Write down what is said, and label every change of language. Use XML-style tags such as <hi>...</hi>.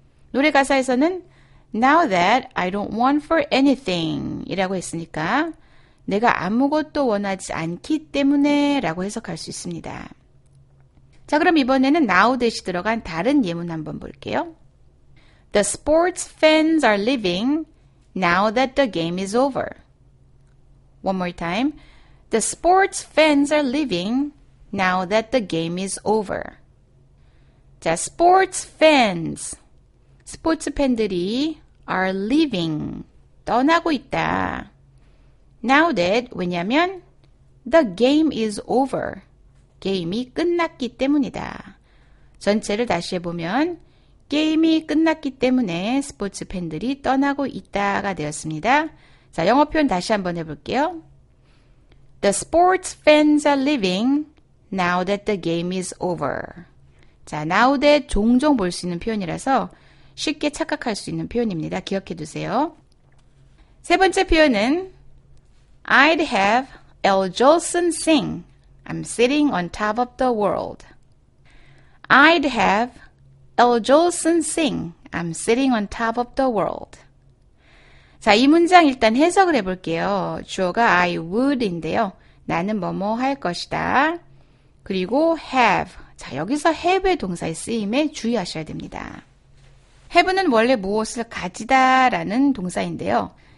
<ko>노래 가사에서는</ko> <en>Now that I don't want for anything</en> <ko>이라고 했으니까 내가 아무것도 원하지 않기 때문에 라고 해석할 수 있습니다. 자, 그럼 이번에는 now 대신 들어간 다른 예문 한번 볼게요.</ko> <en>The sports fans are leaving now that the game is over. One more time. The sports fans are leaving now that the game is over.</en> <ko>자, sports fans. 스포츠 팬들이</ko> <en>are leaving,</en> <ko>떠나고 있다.</ko> <en>Now that,</en> <ko>왜냐면</ko> <en>the game is over,</en> <ko>게임이 끝났기 때문이다. 전체를 다시 해보면 게임이 끝났기 때문에 스포츠 팬들이 떠나고 있다가 되었습니다. 자, 영어 표현 다시 한번 해볼게요.</ko> <en>The sports fans are leaving now that the game is over.</en> <ko>자, now that 종종 볼 수 있는 표현이라서 쉽게 착각할 수 있는 표현입니다. 기억해 두세요. 세 번째 표현은</ko> <en>I'd have L. Jolson sing I'm sitting on top of the world. I'd have L. Jolson sing I'm sitting on top of the world.</en> <ko>자, 이 문장 일단 해석을 해볼게요. 주어가 I would인데요. 나는 뭐뭐 할 것이다. 그리고 have. 자, 여기서 have의 동사의 쓰임에 주의하셔야 됩니다. have는 원래 무엇을 가지다 라는 동사인데요.</ko>